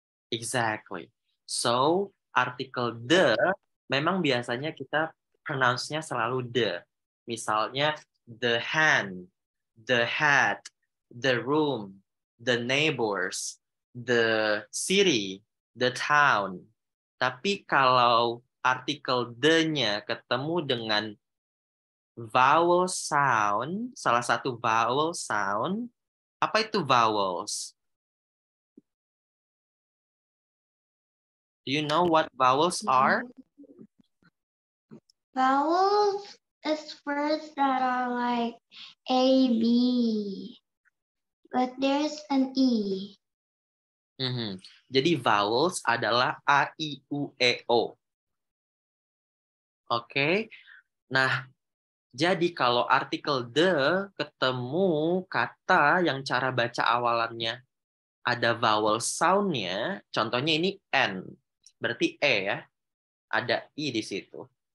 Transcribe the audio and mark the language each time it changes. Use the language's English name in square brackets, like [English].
[Indonesian] Exactly. So, article the, memang biasanya kita pronounce-nya selalu the. Misalnya, the hand, the hat, the room, the neighbors, the city, the town. Tapi kalau artikel the-nya ketemu dengan vowel sound, salah satu vowel sound, apa itu vowels? [English] Do you know what vowels are? Vowels is words that are like A, B, but there's an E. Mm-hmm. [Indonesian] Jadi vowels adalah A, I, U, E, O. Oke, okay. Nah, jadi kalau artikel the ketemu kata yang cara baca awalannya ada vowel sound-nya, contohnya ini N, berarti E ya, ada I di situ.